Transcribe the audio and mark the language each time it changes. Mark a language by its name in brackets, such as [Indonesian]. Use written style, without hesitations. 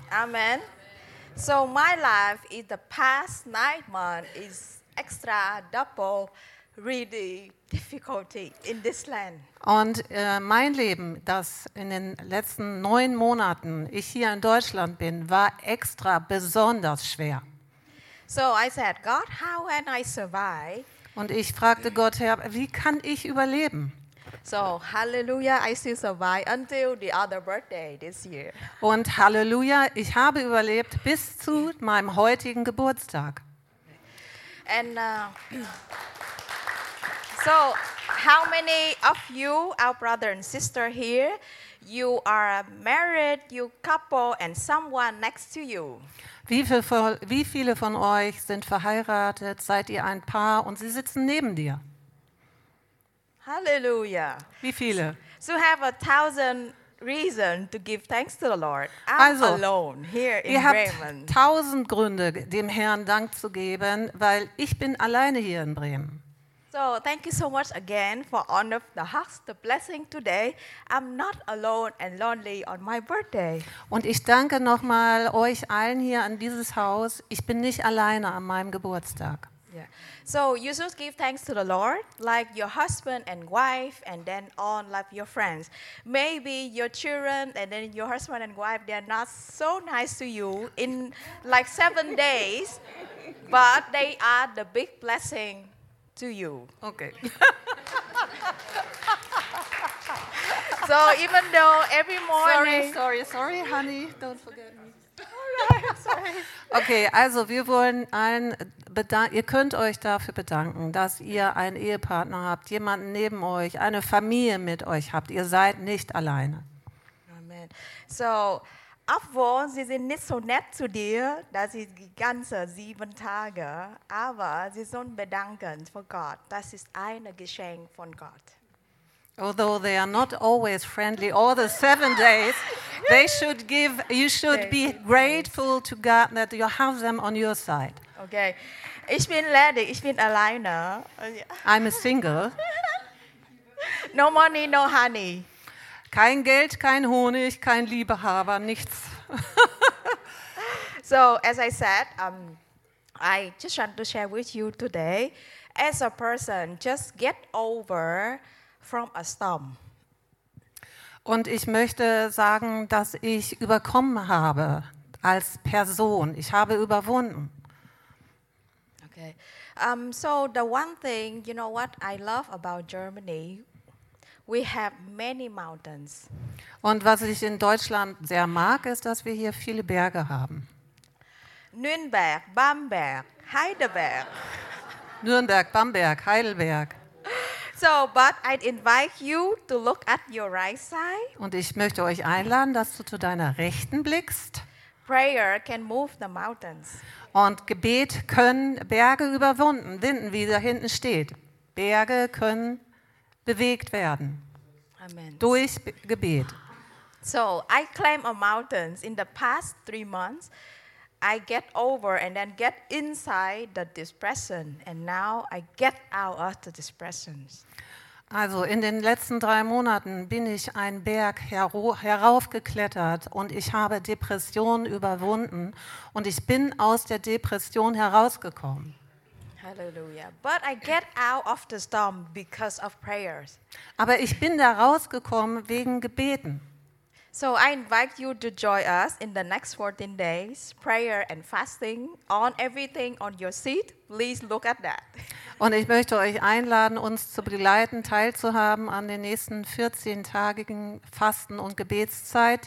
[English] Amen. So my life in the past 9 months is extra double really difficulty in this land. [German] Und mein Leben, das in den letzten 9 Monaten ich hier in Deutschland bin, war extra besonders schwer. [English] So I said, God, how can I survive? [German] Und ich fragte Gott, Herr, wie kann ich überleben? [English] So hallelujah, I still survive until the other birthday this year. [German] Und hallelujah, ich habe überlebt bis zu meinem heutigen Geburtstag. [English] And so how many of you, our brother and sister here, you are married, you couple and someone next to you? [German] Wie viele von euch sind verheiratet, seid ihr ein Paar und sie sitzen neben dir? [English] Hallelujah. [German] Wie viele? [English] So have a thousand reason to give thanks to the Lord. I'm also alone here in [German] ihr Bremen. Ihr habt tausend Gründe, dem Herrn Dank zu geben, weil ich bin alleine hier in Bremen. [English] So, thank you so much again for honor of the hugs, the blessing today. I'm not alone and lonely on my birthday. [German] Und ich danke nochmal euch allen hier an dieses Haus. Ich bin nicht alleine an meinem Geburtstag. [English] Yeah. So, you should give thanks to the Lord, like your husband and wife, and then all like your friends. Maybe your children and then your husband and wife, they're not so nice to you in like 7 days, but they are the big blessing to you. Okay. So even though every morning. Sorry, honey, don't forget me. Sorry. [German] Okay, also wir wollen allen bedanken, ihr könnt euch dafür bedanken, dass ihr einen Ehepartner habt, jemanden neben euch, eine Familie mit euch habt. Ihr seid nicht alleine. Amen. So, obwohl sie sind nicht so nett zu dir, dass sie die ganzen 7 Tage, aber sie sind bedankend vor Gott. Das ist ein Geschenk von Gott. [English] Although they are not always friendly all the 7 days, they should give. You should be grateful to God that you have them on your side. [German] Okay, ich bin ledig, ich bin alleine. [English] I'm a single. No money, no honey. [German] Kein Geld, kein Honig, kein Liebehaber, nichts. [English] So, as I said, I just want to share with you today, as a person, just get over from a storm. [German] Und ich möchte sagen, dass ich überkommen habe als Person. Ich habe überwunden. [English] Okay. So the one thing, you know what I love about Germany, we have many mountains. [German] Und was ich in Deutschland sehr mag, ist, dass wir hier viele Berge haben. Nürnberg, Bamberg, Heidelberg. Nürnberg, Bamberg, Heidelberg. [English] So, but I'd invite you to look at your right side. [German] Und ich möchte euch einladen, dass du zu deiner Rechten blickst. [English] Prayer can move the mountains. [German] Und Gebet können Berge überwinden, wie da hinten steht. Berge können bewegt werden. Amen. Durch Gebet. [English] So, I climb a mountain in the past 3 months. I get over and then get inside the depression and now I get out of the depression. [German] Also in den letzten 3 Monaten bin ich einen Berg heraufgeklettert und ich habe Depressionen überwunden und ich bin aus der Depression herausgekommen. [English] Hallelujah. But I get out of the storm because of prayers. [German] Aber ich bin da rausgekommen wegen Gebeten. [English] So I invite you to join us in the next 14 days, prayer and fasting on everything on your seat. Please look at that. [German] Und ich möchte euch einladen, uns zu begleiten, teilzuhaben an den nächsten 14-tagigen Fasten- und Gebetszeit.